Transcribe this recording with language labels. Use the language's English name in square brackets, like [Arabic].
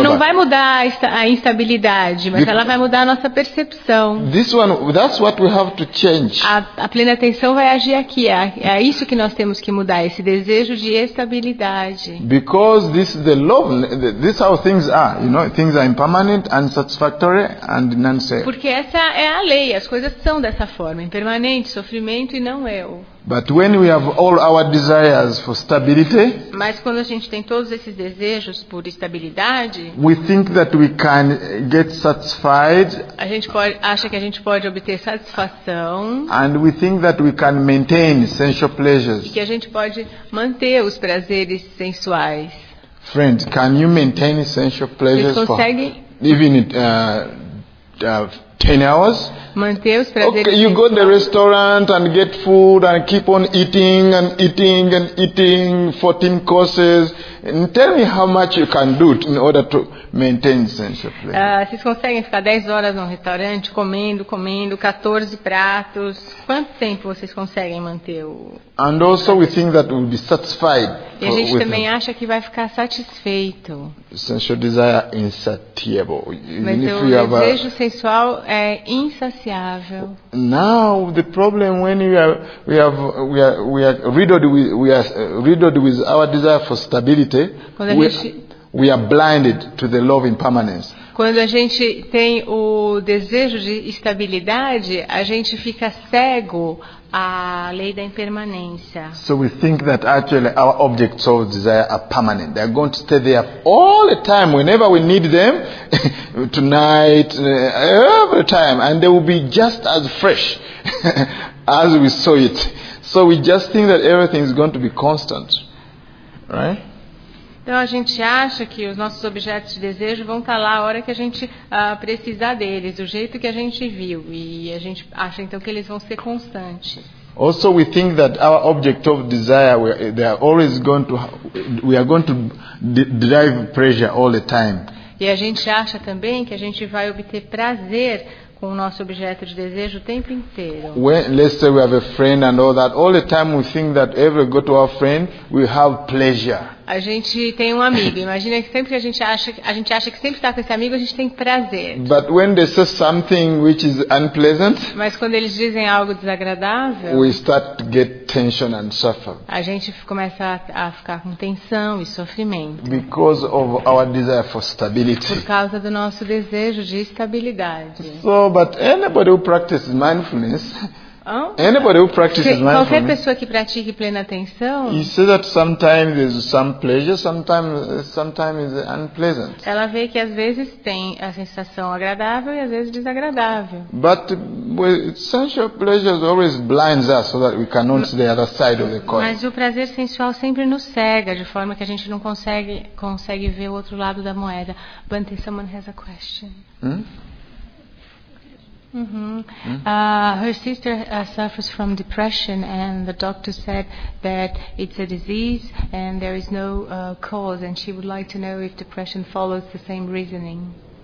[Portuguese] não vai mudar a instabilidade, mas ela vai mudar a nossa percepção. [English] This one, that's what we have to change. [Portuguese] A plena atenção vai agir aqui. É isso que nós temos que mudar, esse desejo de estabilidade. [English] Because this is the love, this is how things are. You know, things are impermanent, unsatisfactory, and non-self. [Portuguese] Porque essa é a lei. As coisas são dessa forma, impermanente, sofrimento e não eu. [English] But when we have all our desires for stability, [Portuguese] mas quando a gente tem todos esses desejos por estabilidade, [English] we think that we can get satisfied. [Portuguese] A gente acha que a gente pode obter satisfação. [English] And we think that we can maintain sensual pleasures. [Portuguese] E que a gente pode manter os prazeres sensuais. [English] Friend, can you maintain sensual pleasures for even 10 hours? [Portuguese] Manter os prazeres. [English] Okay, you go to the restaurant and get food and keep on eating and eating and eating 14 courses. And tell me how much you can do in order to maintain sensual pleasure. [Portuguese] Vocês conseguem ficar 10 horas no restaurante comendo 14 pratos? Quanto tempo vocês conseguem manter o? [English] And also we think that we'll be satisfied. [Portuguese] E a gente também acha que vai ficar satisfeito. [English] Sensual desire insatiable. [Portuguese] Mas [English] if [Portuguese] o [English] you [Portuguese] desejo [English] have a [Portuguese] sensual é insaciável. [English] Now the problem when we are riddled with our desire for stability. We are blinded to the love impermanence. [Portuguese] Quando a gente tem o desejo de estabilidade, a gente fica cego à lei da impermanência. [English] So we think that actually our objects of desire are permanent. They are going to stay there all the time, whenever we need them, tonight, every time, and they will be just as fresh as we saw it. So we just think that everything is going to be constant, right? [Portuguese] Então a gente acha que os nossos objetos de desejo vão estar lá a hora que a gente precisar deles, do jeito que a gente viu, e a gente acha então que eles vão ser constantes. [English] Also we think that our object of desire they are always going to we are going to derive pleasure all the time. [Portuguese] E a gente acha também que a gente vai obter prazer com o nosso objeto de desejo o tempo inteiro. [English] Let's say we have a friend and all that. All the time we think that every go to our friend we have pleasure. [Portuguese] A gente tem um amigo. Imagina que sempre que a gente acha que sempre está com esse amigo, a gente tem prazer. [English] But when they say something which is unpleasant, [Portuguese] mas quando eles dizem algo desagradável, [English] we start to get tension and suffer. [Portuguese] A gente começa a ficar com tensão e sofrimento. [English] Because of our desire for stability. [Portuguese] Por causa do nosso desejo de estabilidade. [English] So, but anybody who practices mindfulness. Anybody who practices mindfulness, [Portuguese] qualquer pessoa que pratique plena atenção, [English] he says that sometimes there's some pleasure, sometimes it's unpleasant. [Portuguese] Ela vê que às vezes tem a sensação agradável e às vezes desagradável. [English] But sensual pleasures always blinds us so that we cannot see the other side of the coin. [Portuguese] Mas o prazer sensual sempre nos cega de forma que a gente não consegue ver o outro lado da moeda. Bante, [English] someone has a question. Hmm? Her sister suffers from depression, and the doctor said that it's a disease and there is no cause, and she would like to know if depression follows the same reasoning.